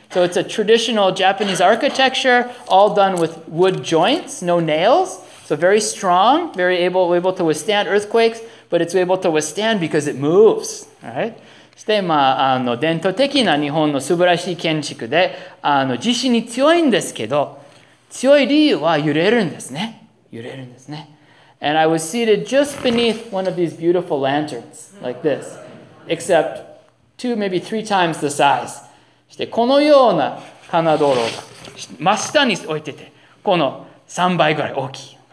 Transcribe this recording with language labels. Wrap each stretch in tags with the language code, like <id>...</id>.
<en>So it's a traditional Japanese architecture, all done with wood joints, no nails. So very strong, very able to withstand earthquakes, but it's able to withstand because it moves, right?</en> <ja>して、まあ、あの伝統的な日本の素晴らしい建築で、あの地震に強いんですけど、強い理由は揺れるんですね。揺れるんですね。</ja> <en>And I was seated just beneath one of these beautiful lanterns, like this, except two, maybe three times the size.</en> <ja>して、このような金灯籠が真下に置いてて、この3倍ぐらい大きい。</ja>